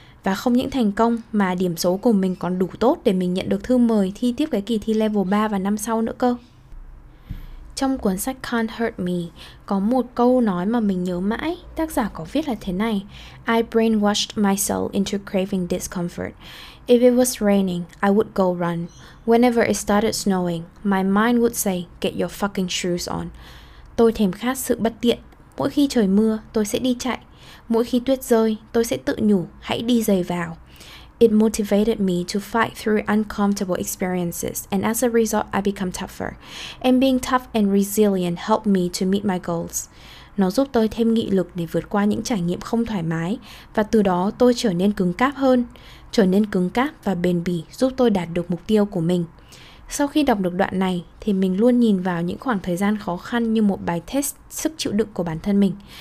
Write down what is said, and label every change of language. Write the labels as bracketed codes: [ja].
[vi] Và không những thành công mà điểm số của mình còn đủ tốt để mình nhận được thư mời thi tiếp cái kỳ thi level 3 và năm sau nữa cơ. Trong cuốn sách Can't Hurt Me, có một câu nói mà mình nhớ mãi, tác giả có viết là thế này: [en] I brainwashed myself into craving discomfort. If it was raining, I would go run. Whenever it started snowing, my mind would say, get your fucking shoes on. [vi] Tôi thèm khát sự bất tiện. Mỗi khi trời mưa, tôi sẽ đi chạy. Mỗi khi tuyết rơi, tôi sẽ tự nhủ, hãy đi giày vào. [en] It motivated me to fight through uncomfortable experiences, and as a result, I become tougher. And being tough and resilient helped me to meet my goals. [vi] Nó giúp tôi thêm nghị lực để vượt qua những trải nghiệm không thoải mái, và từ đó tôi trở nên cứng cáp hơn. Trở nên cứng cáp và bền bỉ giúp tôi đạt được mục tiêu của mình. Sau khi đọc được đoạn này, thì mình luôn nhìn vào những khoảng thời gian khó khăn như một bài test sức chịu đựng của bản thân mình.